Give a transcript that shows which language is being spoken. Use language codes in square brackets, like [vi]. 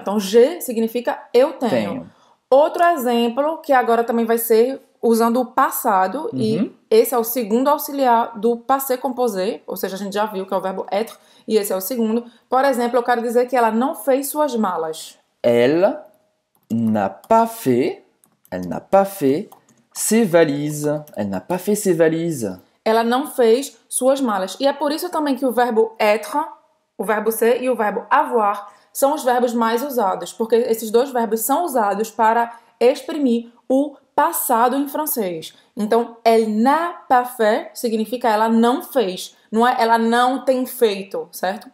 [pt] Então, G significa eu tenho. Outro exemplo, que agora também vai ser usando o passado, e esse é o segundo auxiliar do passé composé, ou seja, a gente já viu que é o verbo être, e esse é o segundo. Por exemplo, eu quero dizer que ela não fez suas malas. [fr] Elle n'a pas fait ses valises. [pt] Ela não fez suas malas. E é por isso também que o verbo être, o verbo ser e o verbo avoir são os verbos mais usados, porque esses dois verbos são usados para exprimir o passado em francês. Então, [fr] elle n'a pas fait [pt] significa ela não fez, não é ela não tem feito, certo?